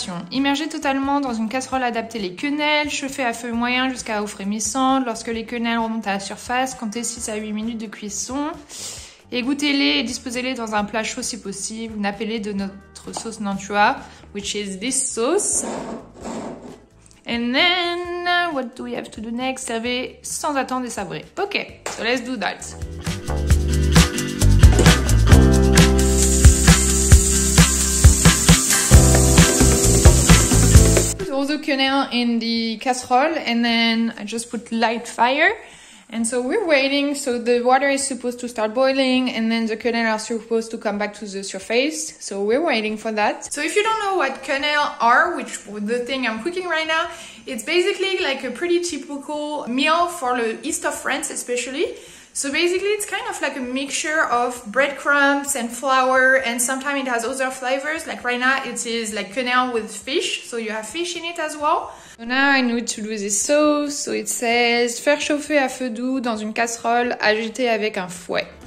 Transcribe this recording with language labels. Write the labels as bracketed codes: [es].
[fr] Immergez totalement dans une casserole adaptée les quenelles, chauffez à feu moyen jusqu'à eau frémissante. Lorsque les quenelles remontent à la surface, comptez 6 à 8 minutes de cuisson. Égouttez-les et disposez-les dans un plat chaud si possible. Nappez-les de notre sauce Nantua, [en] which is this sauce. And then, what do we have to do next? [fr] Servez sans attendre et sabrez. [en] Ok, so let's do that. All the quenelle in the casserole, and then I just put light fire, and so we're waiting. So the water is supposed to start boiling and then the quenelle are supposed to come back to the surface, so we're waiting for that. So if you don't know what quenelle are, which the thing I'm cooking right now, it's basically like a pretty typical meal for the east of France especially. So basically it's kind of like a mixture of breadcrumbs and flour, and sometimes it has other flavors. Like right now it is like quenelle with fish, so you have fish in it as well. So now I need to do this sauce. So it says [fr] faire chauffer à feu doux dans une casserole, agiter avec un fouet.